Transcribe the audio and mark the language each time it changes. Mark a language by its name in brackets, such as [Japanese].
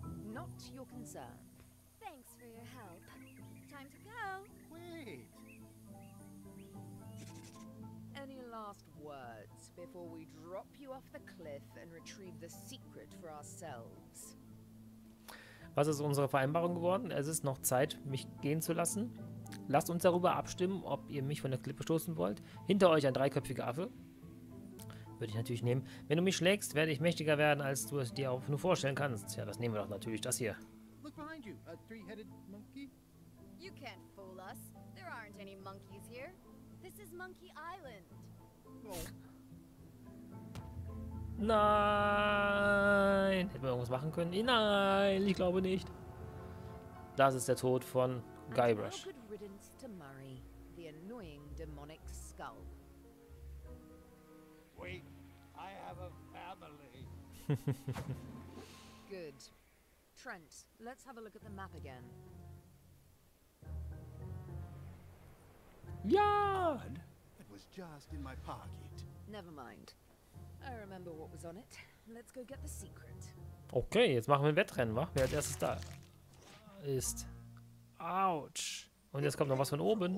[English] Not your concern. Thanks for your help. Time to go. Wait. Any last words before we drop you off the cliff and retrieve the secret for ourselves? [German] Was ist unsere Vereinbarung geworden? Es ist noch Zeit, mich gehen zu lassen. Lasst uns darüber abstimmen, ob ihr mich von der Klippe stoßen wollt. Hinter euch ein dreiköpfiger Affe. Würde ich natürlich nehmen. Wenn du mich schlägst, werde ich mächtiger werden, als du es dir auch nur vorstellen kannst. Ja, das nehmen wir doch natürlich, das hier. [English] Look behind you, a three-headed monkey. You can't fool us. There aren't any monkeys here. This is Monkey Island. Oh. [German] Nein. Hätten wir irgendwas machen können? Nein, ich glaube nicht. Das ist der Tod von Guybrush. [English] And how could riddance to Murray, the annoying demonic skull? Wait, I have a family. Good. Trent, let's have a look at the map again. Yard! It was just in my pocket. Never mind. I remember what was on it. Let's go get the secret. [German] Okay, jetzt machen wir ein Wettrennen, wa? Wer als erstes da ist. Autsch. Und jetzt kommt noch was von oben.